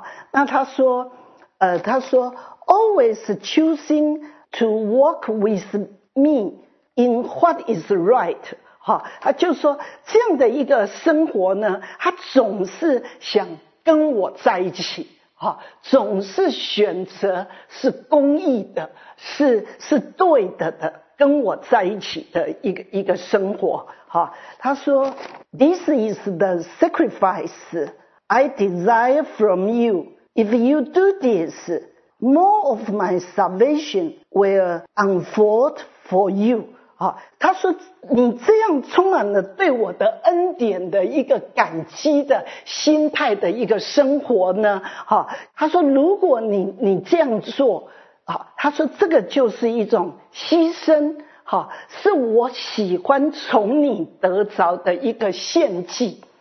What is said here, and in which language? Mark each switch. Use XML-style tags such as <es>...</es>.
<zh>那他说</zh> <en>always choosing to walk with me in what is right。</en> <zh>他就说这样的一个生活呢，他总是想跟我在一起，总是选择是公义的，是对的，跟我在一起的一个生活。他说</zh> <en>This is the sacrifice I desire from you. If you do this, more of my salvation will unfold for you.</en> <zh>他说你这样充满了对我的恩典的一个感激的心态的一个生活呢，他说如果你这样做，他说这个就是一种牺牲，是我喜欢从你得着的一个献祭。</zh>